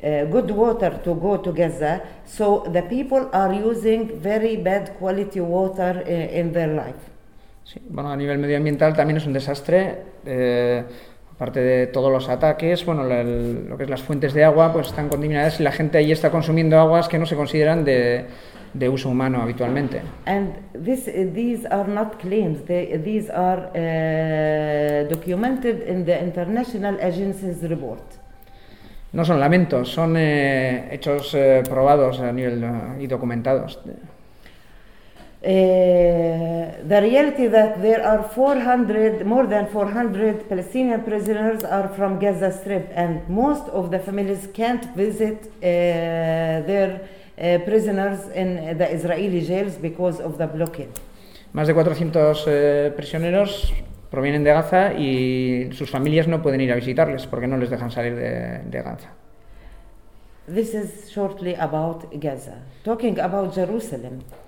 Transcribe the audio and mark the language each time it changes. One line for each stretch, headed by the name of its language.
English: good water to go to Gaza, so the people are using very bad quality water in their life.
Spanish: Sí, bueno, a nivel medioambiental también es un desastre. Aparte de todos los ataques, bueno, lo que es las fuentes de agua, pues están contaminadas y la gente allí está consumiendo aguas que no se consideran de uso humano habitualmente.
English: And these are not claims. These are documented in the International Agency's report.
Spanish: No son lamentos, son hechos probados a nivel y documentados.
English: The reality that there are more than 400 Palestinian prisoners are from Gaza Strip, and most of the families can't visit their prisoners in the Israeli jails because of the blockade.
Spanish: Más de 400 prisioneros provienen de Gaza y sus familias no pueden ir a visitarles porque no les dejan salir de Gaza.
English: This is shortly about Gaza. Talking about Jerusalem.